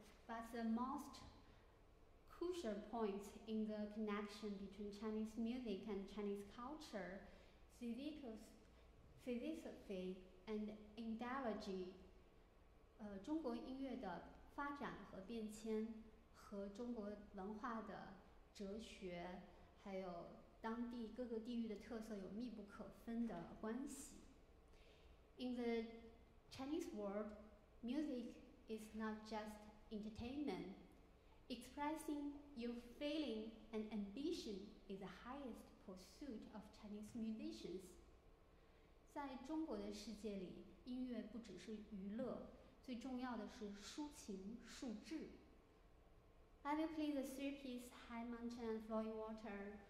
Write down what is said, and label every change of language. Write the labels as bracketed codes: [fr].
[en] But the most crucial point in the connection between Chinese music and Chinese culture, philosophy and ideology, [zh] 中国音乐的发展和变迁和中国文化的哲学还有当地各个地域的特色有密不可分的关系. [en] In the Chinese world, music is not just entertainment. Expressing your feeling and ambition is the highest pursuit of Chinese musicians. [zh] 在中国的世界里, 音乐不只是娱乐, 最重要的是抒情抒志. [en] I will play the three-piece High Mountain and Flowing Water.